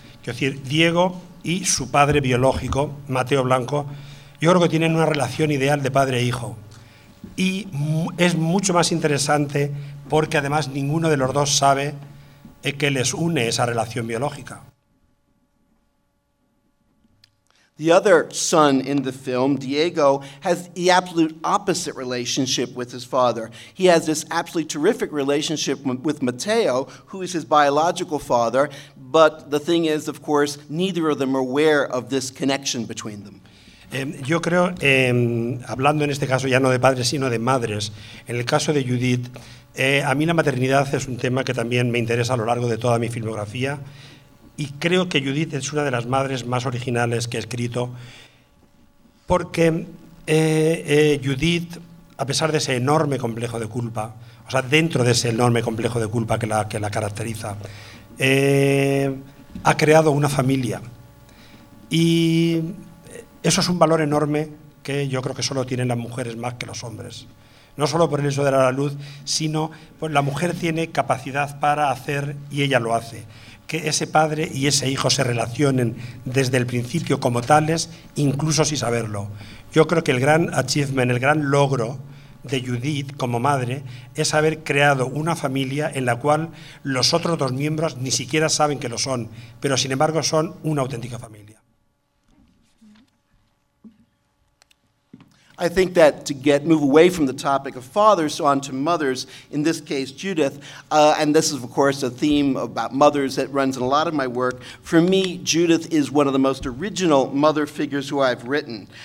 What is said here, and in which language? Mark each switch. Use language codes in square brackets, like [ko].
[es] Es decir, Diego y su padre biológico, Mateo Blanco, yo creo que tienen una relación ideal de padre e hijo. Y es mucho más interesante porque además ninguno de los dos sabe que les une esa relación biológica. [en] The other son in the film, Diego, has the absolute opposite relationship with his father. He has this absolutely terrific relationship with Mateo, who is his biological father, but the thing is, of course, neither of them are aware of this connection between them. [es] Yo creo, hablando en este caso ya no de padres sino de madres, en el caso de Judith, a mí la maternidad es un tema que también me interesa a lo largo de toda mi filmografía y creo que Judith es una de las madres más originales que he escrito porque Judith, a pesar de ese enorme complejo de culpa, o sea, dentro de ese enorme complejo de culpa que la caracteriza, ha creado una familia y eso es un valor enorme que yo creo que solo tienen las mujeres más que los hombres. No solo por el hecho de dar a luz, sino pues la mujer tiene capacidad para hacer y ella lo hace. Que ese padre y ese hijo se relacionen desde el principio como tales, incluso sin saberlo. Yo creo que el gran achievement, el gran logro de Judith como madre es haber creado una familia en la cual los otros dos miembros ni siquiera saben que lo son, pero sin embargo son una auténtica familia. [en] I think that to get move away from the topic of fathers on to mothers, in this case Judith, and this is of course a theme about mothers that runs in a lot of my work, for me Judith is one of the most original mother figures who I've written.